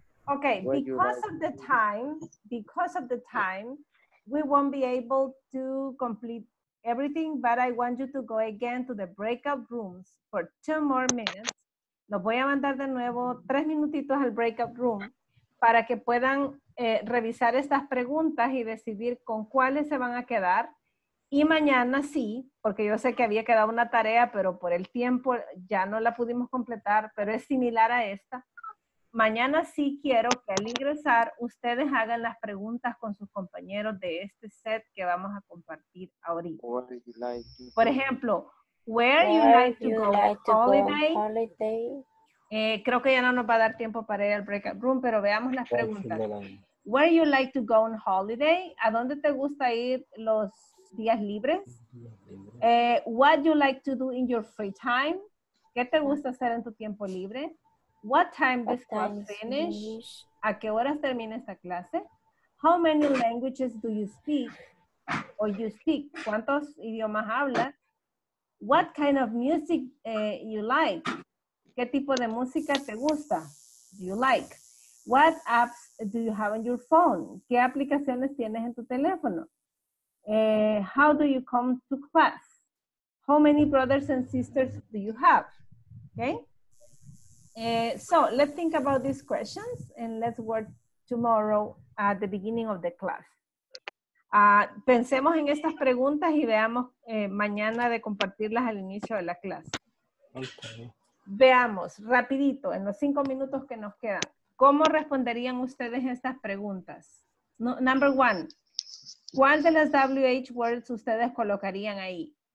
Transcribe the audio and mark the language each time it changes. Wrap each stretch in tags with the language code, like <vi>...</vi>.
<en>Okay, because of the time, we won't be able to complete everything, but I want you to go again to the breakout rooms for 2 more minutes.</en> <es>Los voy a mandar de nuevo 3 minutitos al breakout room para que puedan revisar estas preguntas y decidir con cuáles se van a quedar. Y mañana sí, porque yo sé que había quedado una tarea, pero por el tiempo ya no la pudimos completar, pero es similar a esta. Mañana sí quiero que al ingresar ustedes hagan las preguntas con sus compañeros de este set que vamos a compartir ahorita. Por ejemplo,</es> <en>where you like to go holiday?</en> <es>Creo que ya no nos va a dar tiempo para ir al breakout room, pero veamos las preguntas.</es> <en>Where you like to go on holiday?</en> <es>¿A dónde te gusta ir los días libres?</es> <en>What you like to do in your free time?</en> <es>¿Qué te gusta hacer en tu tiempo libre?</es> <en>What time does class finish?</en> <es>¿A qué horas termina esta clase?</es> <en>How many languages do you speak? Or you speak?</en> <es>¿Cuántos idiomas hablas?</es> <en>What kind of music you like?</en> <es>¿Qué tipo de música te gusta?</es> <en>Do you like? What apps do you have on your phone?</en> <es>¿Qué aplicaciones tienes en tu teléfono?</es> <en>How do you come to class? How many brothers and sisters do you have? Okay. So let's think about these questions and let's work tomorrow at the beginning of the class.</en> <es>Pensemos en estas preguntas y veamos mañana de compartirlas al inicio de la clase. Okay. Veamos, rapidito, en los 5 minutos que nos quedan, ¿cómo responderían ustedes estas preguntas? Number one, ¿cuál de las WH words ustedes colocarían ahí?</es>